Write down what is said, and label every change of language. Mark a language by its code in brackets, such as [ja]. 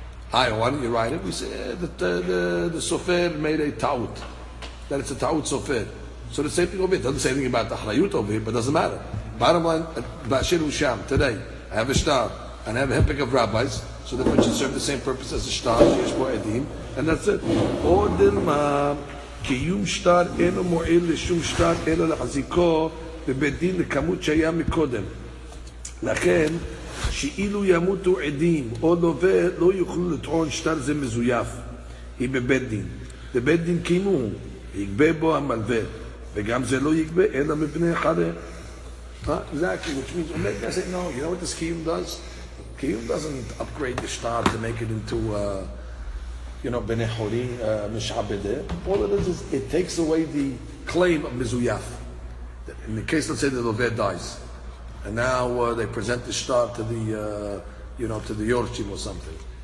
[en] Hi, why don't you write it? We say the Sofer made a Ta'ut. That it's a Ta'ut Sofer. So the same thing over here. It doesn't say anything about Achrayut over here, but it doesn't matter. Bottom line, Bashir Husham, today, I have a shtar, and I have a handpick of rabbis, so that it should serve the same purpose as a shtar, [he] Yesh Bo Edim, [en] and that's it. Or Dilma. [he] קיום שטר אינו מועיל לשום שטר אלא להחזיקו בבית דין לכמות שהיה מקודם. לכן, שאילו ימותו עדים או לווה לא יוכלו לטעון שטר זה מזויף. היא בבית דין. בבית דין קיימו, יגבה בו המלווה. וגם זה לא יגבה, אלא מבני אחרי. [en] Exactly, which means, I said, no, you know what this קיום does? קיום doesn't upgrade the שטר to make it into a... You know, Bnei Horin, Mishabedeh. All it is it takes away the claim of Mizuyaf. In the case, let's say the Loveh dies, and now they present the shtar to the, you know, to the Yorchim or something.